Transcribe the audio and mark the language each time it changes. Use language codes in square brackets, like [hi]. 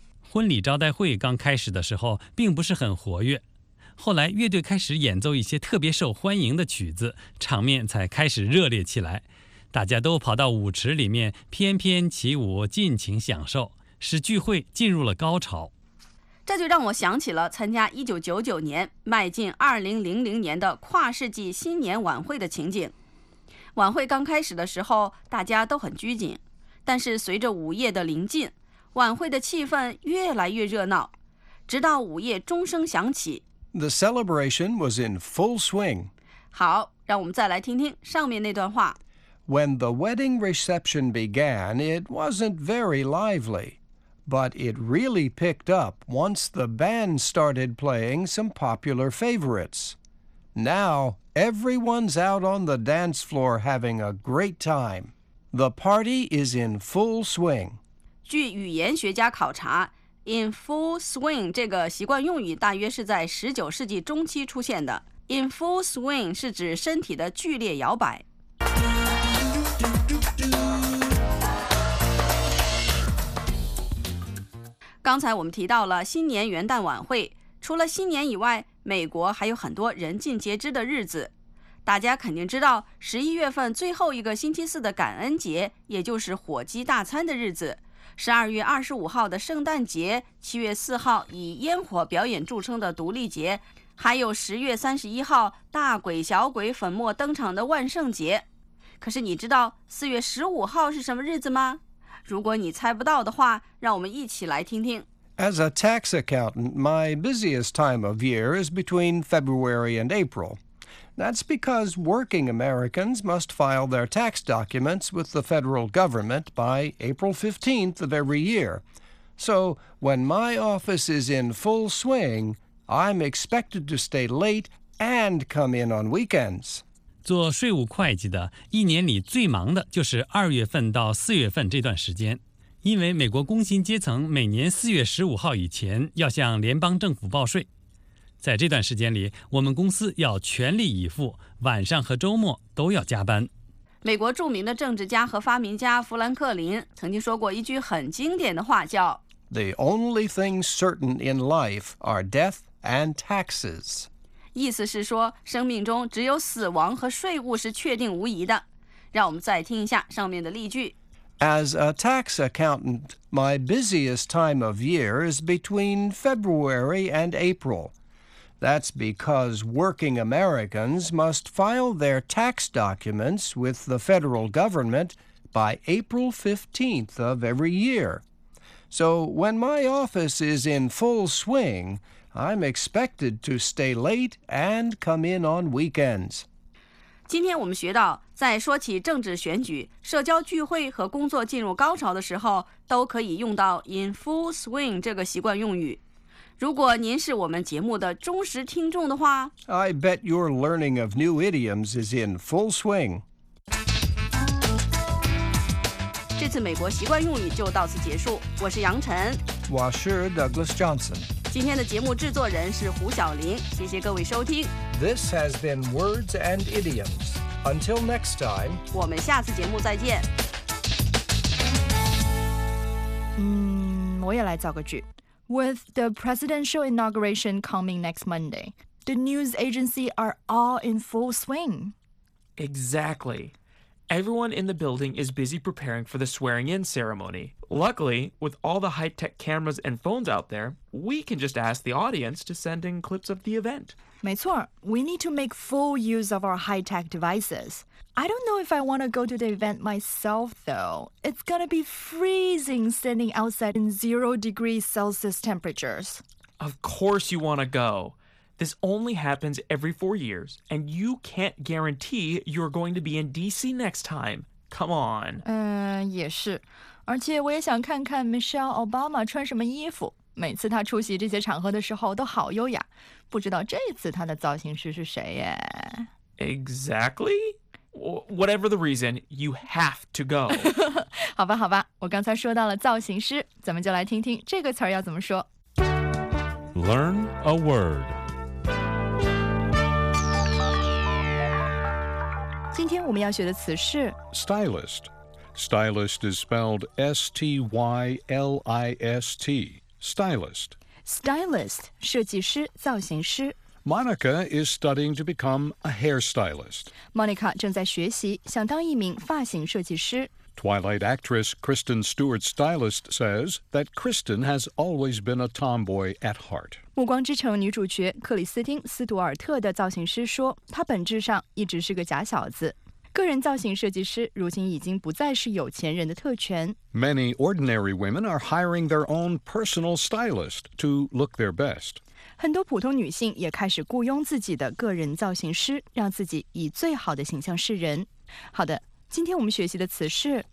[zh] 婚礼招待会刚开始的时候并不是很活跃，后来乐队开始演奏一些特别受欢迎的曲子，场面才开始热烈起来，大家都跑到舞池里面翩翩起舞，尽情享受，使聚会进入了高潮。这就让我想起了参加1999年迈进2000年的跨世纪新年晚会的情景。晚会刚开始的时候大家都很拘谨，但是随着午夜的临近，晚会的气氛越来越热闹，直到午夜钟声响起。 [en] The celebration was in full swing. [zh] 好，让我们再来听听上面那段话。 [en] When the wedding reception began, it wasn't very lively, but it really picked up once the band started playing some popular favorites. Now, everyone's out on the dance floor having a great time. The party is in full swing. [zh] 据语言学家考察，In full swing 这个习惯用语大约是在19世纪中期出现的。 In full swing 是指身体的剧烈摇摆。刚才我们提到了新年元旦晚会，除了新年以外，美国还有很多人尽皆知的日子。大家肯定知道11月份最后一个星期四的感恩节，也就是火鸡大餐的日子。 12月25号的圣诞节，7月4号以烟火表演著称的独立节，还有10月31号大鬼小鬼粉墨登场的万圣节。可是你知道4月15号是什么日子吗？如果你猜不到的话，让我们一起来听听。 [en] As a tax accountant, my busiest time of year is between February and April. That's because working Americans must file their tax documents with the federal government by April 15th of every year. So when my office is in full swing, I'm expected to stay late and come in on weekends. [zh] 做税务会计的一年里最忙的就是二月份到四月份这段时间。因为美国工薪阶层每年4月15号以前要向联邦政府报税。在这段时间里，我们公司要全力以赴，晚上和周末都要加班。美国著名的政治家和发明家富兰克林曾经说过一句很经典的话，叫 [en] The only things certain in life are death and taxes. [zh] 意思是说，生命中只有死亡和税务是确定无疑的。让我们再听一下上面的例句。 [en] As a tax accountant, my busiest time of year is between February and April. That's because working Americans must file their tax documents with the federal government by April 15th of every year. So when my office is in full swing, I'm expected to stay late and come in on weekends. [zh] 今天我们学到，在说起政治选举、社交聚会和工作进入高潮的时候，都可以用到 in full swing 这个习惯用语。如果您是我们节目的忠实听众的话 [en] ，I bet your learning of new idioms is in full swing。 [zh] 这次美国习惯用语就到此结束，我是杨晨，我是 Douglas Johnson。今天的节目制作人是胡晓玲，谢谢各位收听。 [en] This has been Words and Idioms. Until next time. [zh] 我们下次节目再见。我也来造个句。 [en] With the presidential inauguration coming next Monday, the news agency are all in full swing. Exactly. Everyone in the building is busy preparing for the swearing-in ceremony. Luckily, with all the high-tech cameras and phones out there, we can just ask the audience to send in clips of the event. [zh] 没错， [en] we need to make full use of our high-tech devices. I don't know if I want to go to the event myself, though. It's gonna be freezing standing outside in 0°C temperatures. Of course you want to go. This only happens every 4 years, and you can't guarantee you're going to be in D.C. next time. Come on. [zh] 也是。而且我也想看看 Michelle Obama 穿什么衣服。每次她出席这些场合的时候都好优雅。不知道这次她的造型师是谁耶。 [en] Exactly? Whatever the reason, you have to go. [zh] 好吧，好吧，我刚才说到了造型师，咱们就来听听这个词要怎么说。 [en] Learn a word. [zh] 今天我们要学的词是 [en] stylist. Stylist is spelled S-T-Y-L-I-S-T. Stylist. [zh] Stylist, 设计师、造型师。 [en] Monica is studying to become a hairstylist. [zh] Monica 正在学习，想当一名发型设计师。 [en] Twilight actress Kristen Stewart's stylist says that Kristen has always been a tomboy at heart. [zh] 暮光之城女主角克里斯汀·斯图尔特的造型师说，她本质上一直是个假小子。个人造型设计师如今已经不再是有钱人的特权。 [en] Many ordinary women are hiring their own personal stylist to look their best. [zh] 很多普通女性也开始雇佣自己的个人造型师，让自己以最好的形象示人。好的，今天我们学习的词是